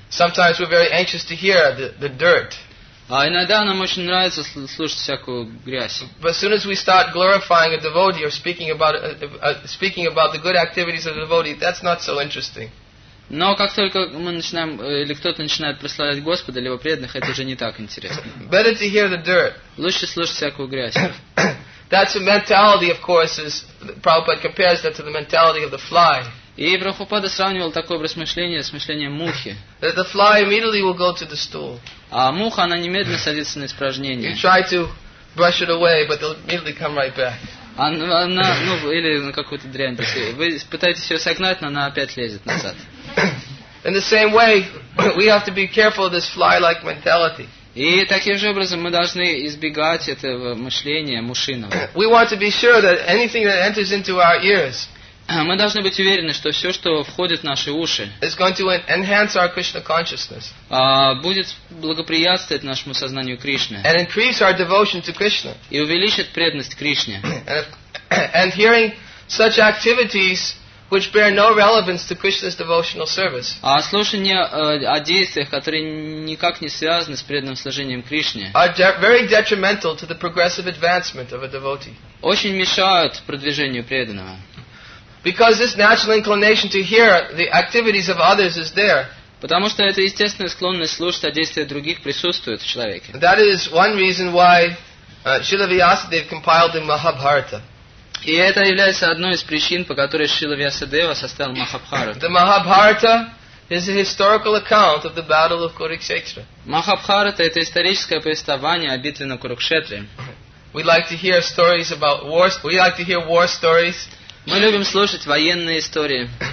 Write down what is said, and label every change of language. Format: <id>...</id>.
<en>Sometimes we're very anxious to hear the dirt.</en> <ru>А иногда нам очень нравится слушать всякую грязь.</ru> <en>But as soon as we start glorifying a devotee or speaking about the good activities of the devotee, that's not so interesting.</en> <ru>Но как только мы начинаем или кто-то начинает прославлять Господа либо преданных, это уже не так интересно.</ru> <en>Better to hear the dirt.</en> <ru>Лучше слушать всякую грязь.</ru> <en>That's a mentality, of course, as Prabhupada compares that to the mentality of the fly.</en> <ru>И Прабхупада сравнивал такой образ мышления с мышлением мухи.</ru> <en>That the fly immediately will go to the stool.</en> <ru>А муха, она немедленно садится на испражнение.</ru> <en>You try to brush it away, but they'll immediately come right back.</en> <ru>Она, ну, или на какую-то дрянь. Вы пытаетесь ее согнать, но она опять лезет назад.</ru> <en>In the same way, we have to be careful of this fly-like mentality.</en> <ru>И таким же образом мы должны избегать этого мышления мушиного.</ru> <en>We want to be sure that anything that enters into our ears.</en> <ru>Мы должны быть уверены, что все, что входит в наши уши,</ru> <en>is going to enhance our Krishna consciousness.</en> <ru>Будет благоприятствовать нашему сознанию Кришне.</ru> <en>And increase our devotion to Krishna.</en> <ru>И увеличит преданность Кришне.</ru> <en>And hearing such activities which bear no relevance to Krishna's devotional service.</en> <ru>А слушание о действиях, которые никак не связаны с преданным служением Кришне.</ru> <en>Are very detrimental to the progressive advancement of a devotee.</en> <ru>Очень мешают продвижению преданного.</ru> <en>Because this natural inclination to hear the activities of others is there.</en> <ru>Потому что эта естественная склонность слушать о действиях других присутствует в человеке.</ru> <en>That is one reason why Śrīla Vyāsadeva compiled the Mahābhārata.</en> <ru>И это является одной из причин, по которой Шрила Вьясадева составил Махабхарату.</ru> <en>The Mahabharata is a historical account of the battle of Kurukshetra.</en> <ru>Махабхарата — это историческое повествование о битве на Курукшетре.</ru> <en>We like to hear stories about wars. We like to hear war stories.</en> <ru>Мы любим слушать военные истории.</ru>